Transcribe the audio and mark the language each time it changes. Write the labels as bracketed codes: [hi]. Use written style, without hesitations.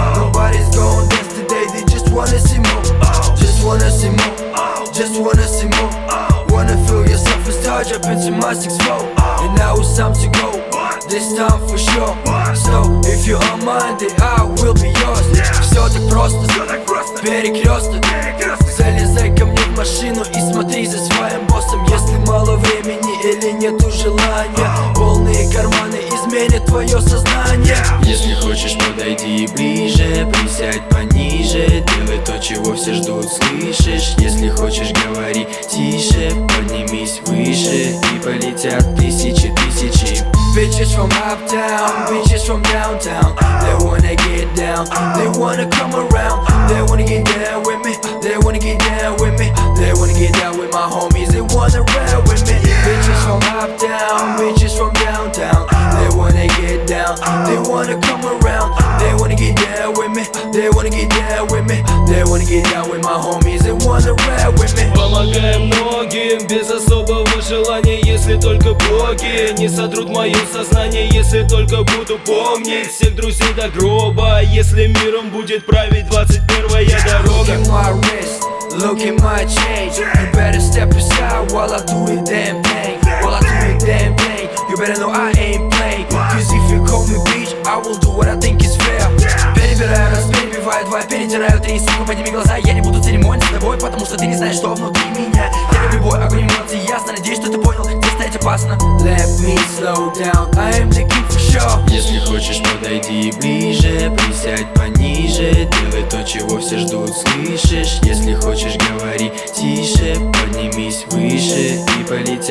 [en] Nobody's gonna dance today, they just wanna see more. Just wanna see more. Just wanna see more. Wanna feel yourself and start jumping to my 6-4. And now it's time to go. This time for sure. So if you're on mine, then I will be yours. [ru] Все так просто, перекресток. Залезай ко мне в машину и смотри за своим боссом. Если мало времени или нету желания, полные карманы изменят твое сознание. Если хочешь, подойди ближе, присядь пониже. Делай то, чего все ждут, слышишь? Если хочешь, говори тише, поднимись выше. И полетят тысячи, тысячи. [en] Bitches from uptown, bitches from downtown. They wanna get down, they wanna come around. They wanna get down with me, they wanna get down with me. They wanna get down with my homies, they wanna ride with me. Bitches from uptown, bitches from downtown. They wanna get down, they wanna come around. They wanna get down with me, they wanna get down with me. They wanna get down with my homies, they wanna ride with me. [ru] Помогаем многим без особого желания. Если только боги не сотрут мое сознание. Если только буду помнить всех друзей до гроба. Если миром будет править 21-я дорога. [en] Look at my wrist, look at my chain. You better step aside while I do the damn thing. While I do the damn thing, you better know I ain't playing. Cause if you call me bitch, I will do what I think is fair. [ru] Перебираю раз, перебиваю два, перетираю три, сука, подними глаза. Я не буду церемониться с тобой, потому что ты не знаешь, что внутри меня. Я люблю бой, огонь эмоций, ясно, надеюсь, что ты понял. [en] Let me slow down, I am the king for sure. [ru] Если хочешь, подойди ближе, присядь пониже. Делай то, чего все ждут, слышишь? Если хочешь, говори тише, поднимись выше и полетя.